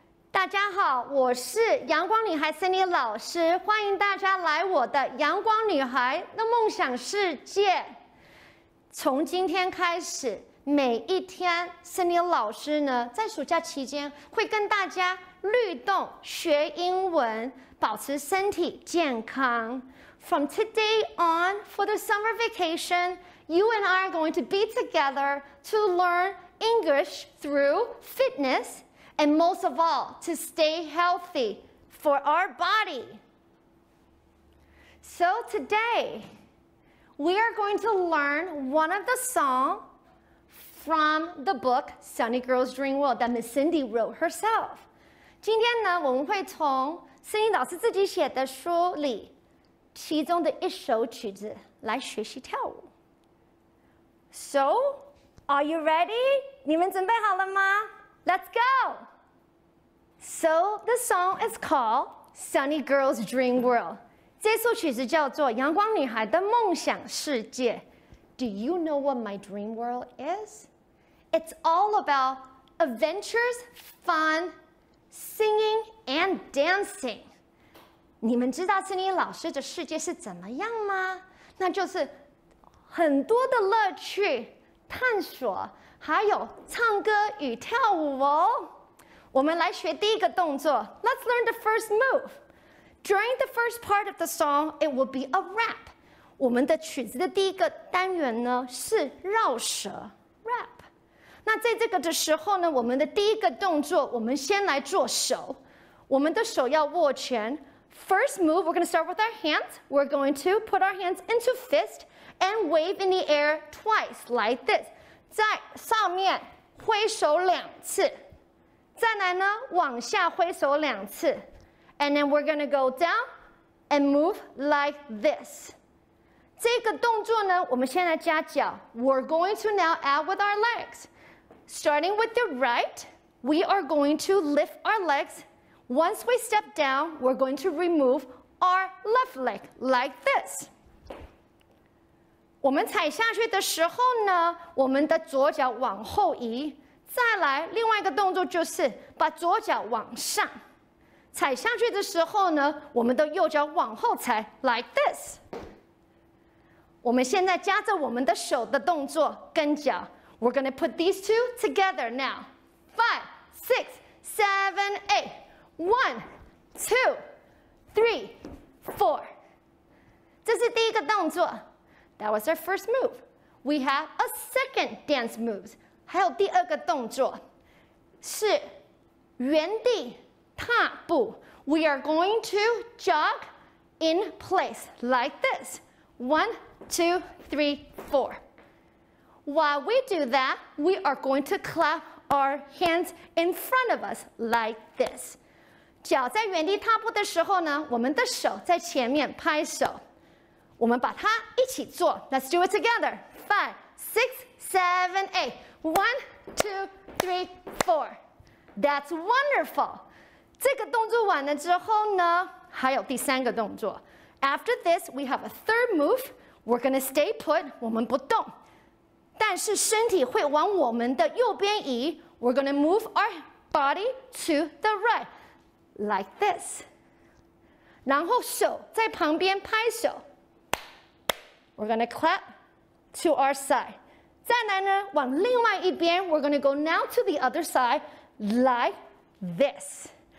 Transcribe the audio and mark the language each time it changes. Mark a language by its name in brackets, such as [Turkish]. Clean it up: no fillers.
[Chinese] 大家好，我是阳光女孩 Cindy 老师，欢迎大家来我的阳光女孩的梦想世界。从今天开始，每一天 Cindy 老师呢，在暑假期间会跟大家律动学英文，保持身体健康。 [English] From today on, for the summer vacation, you and I are going to be together to learn English through fitness and most of all, to stay healthy for our body. So today, we are going to learn one of the songs from the book Sunny Girl's Dream World that Miss Cindy wrote herself. [Chinese] 今天呢，我们会从Cindy老师自己写的书里其中的一首曲子来学习跳舞。 [English] So, are you ready? [Chinese] 你们准备好了吗？ [English] Let's go! So, the song is called Sunny Girl's Dream World. [Chinese] 这首曲子叫做阳光女孩的梦想世界。 [English] Do you know what my dream world is? It's all about adventures, funSinging and dancing. [Chinese] 你们知道 Cindy 老师的世界是怎么样吗？那就是很多的乐趣、探索，还有唱歌与跳舞哦。我们来学第一个动作。 [English] Let's learn the first move. During the first part of the song, it will be a rap. [Chinese] 我们的曲子的第一个单元呢是绕舌 rap。那在这个的时候呢，我们的第一个动作，我们先来做手。我们的手要握拳。 [English] First move, we're going to start with our hands. We're going to put our hands into fist and wave in the air twice, like this. [Chinese] 在上面挥手两次，再来呢往下挥手两次。 [English] And then we're gonna go down and move like this. [Chinese] 这个动作呢，我们先来加脚。 [English] We're going to now add with our legs. Starting with the right, we are going to lift our legs. Once we step down, we're going to remove our left leg like this. [Chinese] 我们踩下去的时候呢，我们的左脚往后移。再来，另外一个动作就是把左脚往上。踩下去的时候呢，我们的右脚往后踩 ， [English] like this。 [Chinese] 我们现在加着我们的手的动作跟脚 ， [English] we're gonna put these two together now。 Five, six, seven, eight. One, two, three, four. [Chinese] 这是第一个动作。 [English] That was our first move. We have a second dance move. [Chinese] 还有第二个动作是原地。踏步 [English] We are going to jog in place like this. One, two, three, four. While we do that, we are going to clap our hands in front of us like this. [Chinese] 脚在原地踏步的时候呢，我们的手在前面拍手。我们把它一起做。 [English] Let's do it together. Five, six, seven, eight. One, two, three, four. That's wonderful. [Chinese] 这个动作完了之后呢，还有第三个动作。 [English] After this, we have a third move. We're gonna stay put. [Chinese] 我们不动，但是身体会往我们的右边移。 [English] We're gonna move our body to the right, like this. [Chinese] 然后手在旁边拍手。 [English] We're gonna clap to our side. [Chinese] 再来呢，往另外一边。 [English] We're gonna go now to the other side, like this.